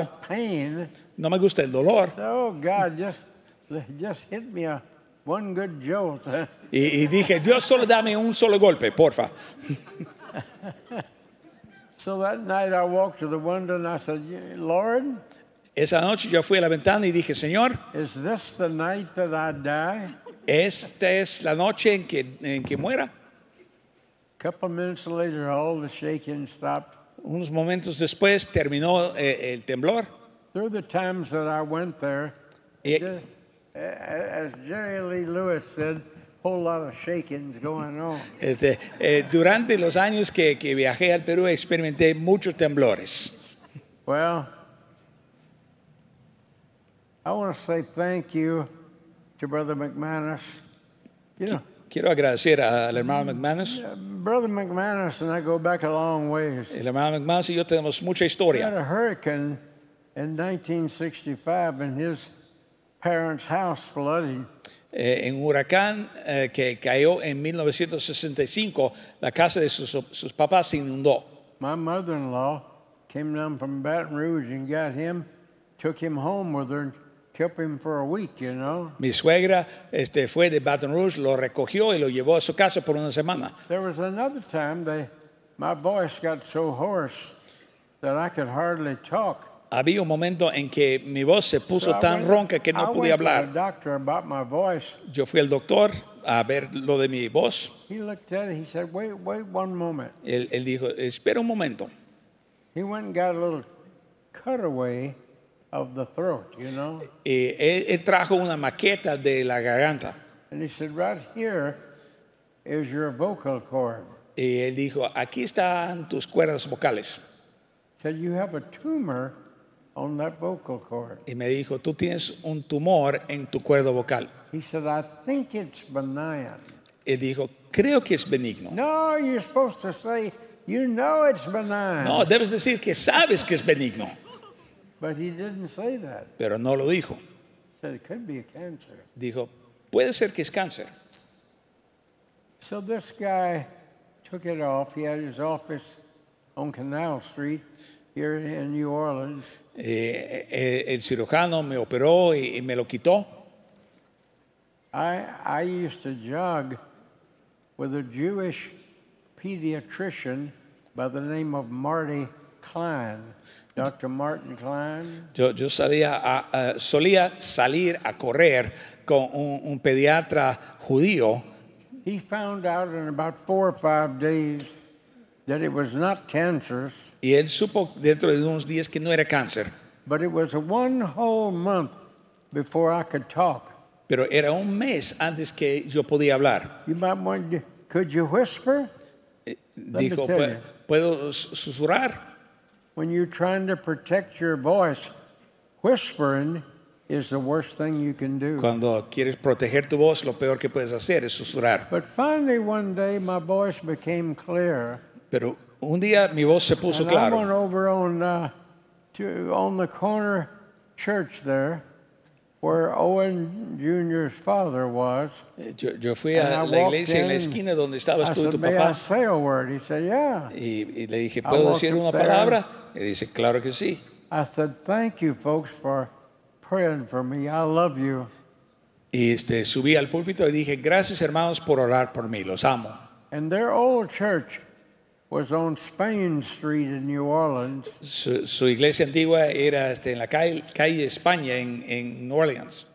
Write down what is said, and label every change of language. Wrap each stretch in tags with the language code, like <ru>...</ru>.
<en>I don't like pain.</en> <es>No me gusta el dolor.</es> <en>So, oh God, just hit me one good jolt.</en> <es>Y dije, Dios, solo dame un solo golpe, porfa.</es> <en>So that night I walked to the window and I said, Lord,</en> <es>esa noche yo fui a la ventana y dije, Señor,</es> <en>is this the night that I die?</en> <es>¿Esta es la noche en que muera?</es> <en>A couple minutes later, all the shaking stopped.</en> <es>unos momentos después terminó el temblor.</es> <en>Through the times that I went there, just, as Jerry Lee Lewis said, a whole lot of shakings going on.</en> <es>Durante los años que viajé al Perú, experimenté muchos temblores.</es> <en>Well, I want to say thank you to Brother McManus.</en> <es>Quiero agradecer al hermano McManus.</es> <en>Brother McManus and I go back a long ways.</en> <es>El hermano McManus y yo tenemos mucha historia.</es> <en>He had a hurricane in 1965 and his parents' house flooded.</en> <es>En un huracán que cayó en 1965, la casa de sus papás se inundó.</es> <en>My mother-in-law came down from Baton Rouge and got him, took him home with her. Kept him for a week, you know.</en> <es>Mi suegra fue de Baton Rouge, lo recogió y lo llevó a su casa por una semana.</es> <en>There was another time they, my voice got so hoarse that I could hardly talk.</en> <es>Había un momento en que mi voz se puso tan ronca que no podía hablar.</es> <en>I went to the doctor about my voice.</en> <es>Yo fui al doctor a ver lo de mi voz.</es> <en>He looked at it, he said, wait one moment.</en> <es>Él dijo, espera un momento.</es> <en>He went and got a little cutaway of the throat, you know.</en> <es>Él trajo una maqueta de la garganta.</es> <en>And he said, right here is your vocal cord.</en> <es>Y él dijo, aquí están tus cuerdas vocales.</es> <en>Said, you have a tumor on that vocal cord.</en> <es>Y me dijo, tú tienes un tumor en tu cuerda vocal.</es> <en>He said, I think it's benign.</en> <es>Y dijo, creo que es benigno.</es> <en>No, you're supposed to say, you know it's benign.</en> <es>No, debes decir que sabes que es benigno.</es> <en>But he didn't say that.</en> <es>Pero no lo dijo.</es> <en>Said it could be a cancer.</en> <es>Dijo, puede ser que es cáncer.</es> <en>So this guy took it off. He had his office on Canal Street here in New Orleans.</en> <es>El cirujano me operó y me lo quitó.</es> <en>I used to jog with a Jewish pediatrician by the name of Marty Klein. Dr. Martin Klein.</en> <es>Yo solía salir a correr con un pediatra judío.</es> <en>He found out in about 4 or 5 days that it was not cancerous.</en> <es>Y él supo dentro de unos días que no era cáncer.</es> <en>But it was one whole month before I could talk.</en> <es>Pero era un mes antes que yo podía hablar.</es> <en>You might wonder, could you whisper?</en> <es>Dijo, ¿puedo susurrar?</es> <en>When you're trying to protect your voice, whispering is the worst thing you can do.</en> <es>Cuando quieres proteger tu voz, lo peor que puedes hacer es susurrar.</es> <en>But finally, one day, my voice became clear.</en> <es>Pero un día mi voz se puso claro.</es> <en>And I went over on the corner church there, where Owen Jr.'s father was.</en> <es>Yo fui a la iglesia en la esquina donde estabas tú y tu papá.</es> <en>I said, "May I say a word?" He said, "Yeah."</en> <es>Y le dije, ¿puedo decir una palabra? Y dice, claro que sí.</es> <en>I said, thank you folks for praying for me. I love you.</en> <es>Y subí al púlpito y dije, gracias hermanos por orar por mí. Los amo.</es> <en>And their old church was on Spain Street in New Orleans.</en> <es>Su iglesia antigua era en la calle España en New Orleans.</es>